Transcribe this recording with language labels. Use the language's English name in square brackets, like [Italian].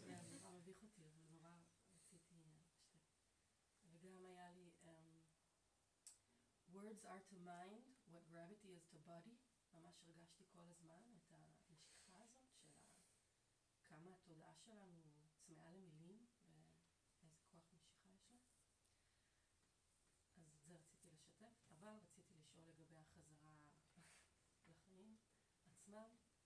[Hebrew] זה מביך אותי, אבל נורא רציתי... [English] וגם היה לי, words are to mind, what gravity is to body. [Hebrew] ממש הרגשתי כל הזמן את המשיכה הזאת של כמה התודעה שלנו צמאה למילים ואיזה כוח משיכה יש לה. אז את זה רציתי לשתף, אבל רציתי לשאול לגבי החזרה לחיים עצמם.